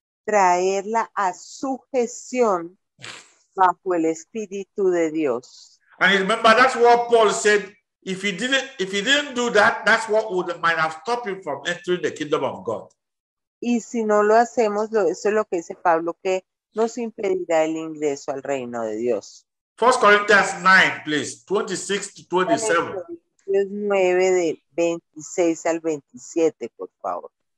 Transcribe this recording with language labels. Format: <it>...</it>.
<es>Traerla a sujeción bajo el Espíritu de Dios.</es> <en>And remember, that's what Paul said. If he didn't do that, that's what might have stopped him from entering the kingdom of God.</en> <es>Y si no lo hacemos, eso es lo que dice Pablo, que nos impedirá el ingreso al reino de Dios.</es> <en>1 Corinthians 9, please, 26 to 27.</en> <es>Es 9 de 26 al 27, por favor.</es>